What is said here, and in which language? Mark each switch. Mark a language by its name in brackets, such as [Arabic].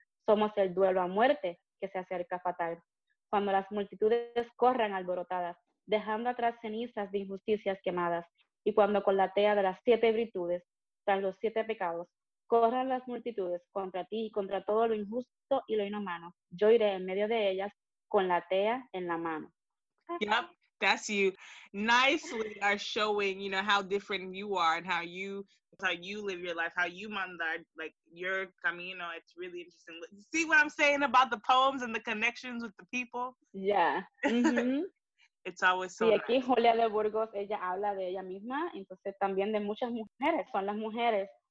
[Spanish] Somos el duelo a muerte que se acerca fatal. Cuando las multitudes corran alborotadas, dejando atrás cenizas de injusticias quemadas, y cuando con la tea de las siete virtudes, tras los siete pecados, corran las multitudes contra ti y contra todo lo injusto y lo inhumano, yo iré en medio de ellas con la tea en la mano. [English] Yep, that's you. Nicely are showing, you know, how different you are and how you live your life, how you mandar, like your camino. It's really interesting. See what I'm saying about the poems and the connections with the people? Yeah. Mm-hmm. It's always so [Spanish] y aquí [English] nice. [Spanish] Julia de Burgos, ella habla de ella misma, entonces también de muchas mujeres, son las mujeres.